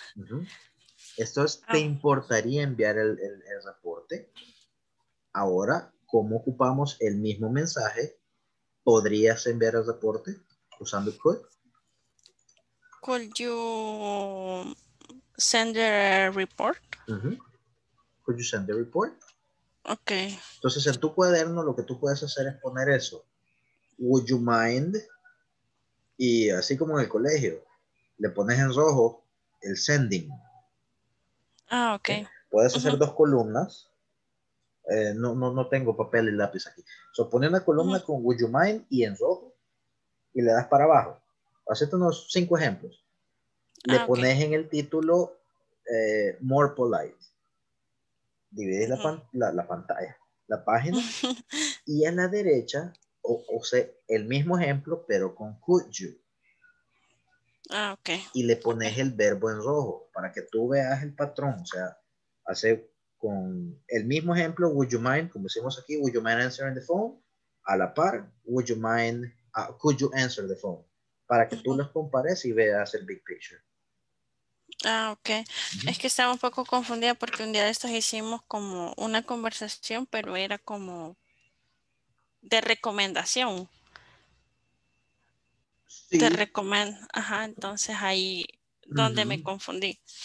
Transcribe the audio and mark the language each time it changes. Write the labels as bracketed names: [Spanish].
[Spanish] Uh-huh. Esto es, ¿te importaría enviar el reporte? Ahora, ¿cómo ocupamos el mismo mensaje? ¿Podrías enviar el reporte usando el could? [English] Could you send the report? Uh-huh. Could you send the report? Okay. [Spanish] Entonces, en tu cuaderno, lo que tú puedes hacer es poner eso. [English] Would you mind? [Spanish] Y así como en el colegio, le pones en rojo el sending. Ah, ok. Puedes hacer dos columnas. No tengo papel y lápiz aquí. So, pone una columna con [English] would you mind [Spanish] y en rojo y le das para abajo. Hacete unos 5 ejemplos. Le pones en el título [English] more polite. [Spanish] Divides la pantalla, la página y en la derecha. O sea, el mismo ejemplo, pero con [English] could you. Ah, ok. [Spanish] Y le pones el verbo en rojo para que tú veas el patrón. O sea, hace con el mismo ejemplo, would you mind, como decimos aquí, [English] would you mind answering the phone? [Spanish] A la par, [English] would you mind, could you answer the phone? [Spanish] Para que tú los compares y veas el [English] big picture. Ah, ok. Uh-huh. [Spanish] Es que estaba un poco confundida porque un día de estos hicimos como una conversación, pero era como... de recomendación. Sí. Te recomiendo. Ajá, entonces ahí donde me confundí.